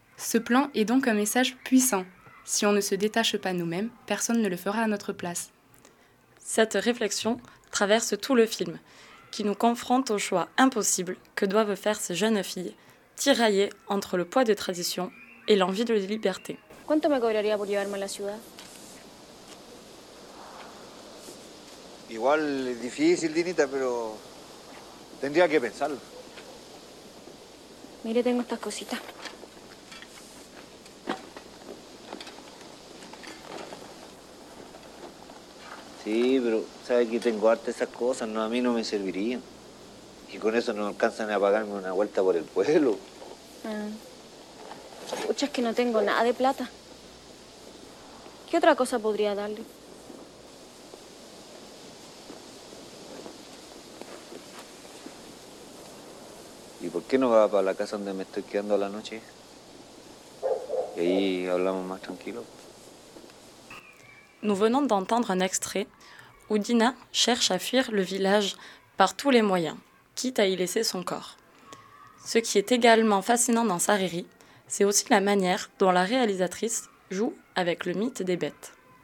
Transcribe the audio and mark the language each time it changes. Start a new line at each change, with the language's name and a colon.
French: Ce plan est donc un message puissant. Si on ne se détache pas nous-mêmes, personne ne le fera à notre place. Cette réflexion traverse tout le film, qui nous confronte au choix impossible que doivent faire ces jeunes filles, tiraillées entre le poids des traditions et l'envie de liberté.
Spanish: ¿Cuánto me cobraría por llevarme a la ciudad? Igual es difícil, Dinita, pero tendría que pensarlo. Mire, tengo estas cositas. Sí, pero sabe que tengo harta esas cosas, no, a mí no me servirían. Y con eso no alcanzan a pagarme una vuelta por el pueblo. Escucha, es que no tengo nada de plata. ¿Qué otra cosa podría darle? ¿Y por qué no va para la casa donde me estoy quedando a la noche? Y ahí hablamos más tranquilo.
French: Nous venons d'entendre un extrait où Dina cherche à fuir le village par tous les moyens, quitte à y laisser son corps. Ce qui est également fascinant dans Sariri, c'est aussi la manière dont la réalisatrice joue avec le mythe des bêtes.